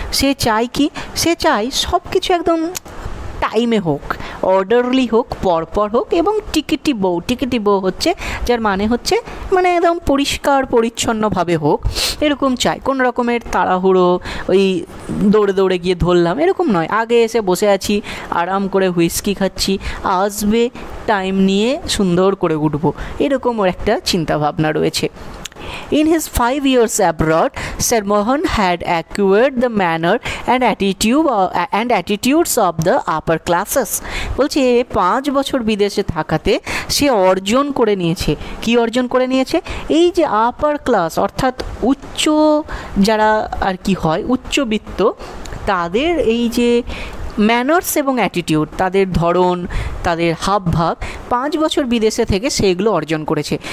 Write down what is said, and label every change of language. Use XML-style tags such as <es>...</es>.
<bn>সে চায় কি, সে চায় সব কিছু একদম টাইমে হোক, অর্ডারলি হোক, পরপর হোক, এবং টিকিটি বউ, টিকিটি বউ হচ্ছে যার মানে হচ্ছে মানে একদম পরিষ্কার পরিচ্ছন্নভাবে হোক, এরকম চাই, কোনো রকমের তাড়াহুড়ো, ওই দৌড়ে দৌড়ে গিয়ে ধরলাম এরকম নয়, আগে এসে বসে আছি আরাম করে হুইস্কি খাচ্ছি, আসবে টাইম নিয়ে সুন্দর করে উঠবো, এরকম ওর একটা চিন্তাভাবনা রয়েছে।</bn> <en>In his 5 years abroad, Sir Mohan had acquired the manner and attitudes of the upper classes.</en> <bn>বলছে 5 বছর বিদেশে থাকাতে সে অর্জন করে নিয়েছে, কি অর্জন করে নিয়েছে, এই যে আপার ক্লাস অর্থাৎ উচ্চ যারা আর কি হয়, উচ্চবিত্ত, তাদের এই যে ম্যানার্স এবং অ্যাটিটিউড, তাদের ধরন, তাদের হাবভাব, 5 বছর বিদেশে থেকে সেগুলো অর্জন করেছে।</bn>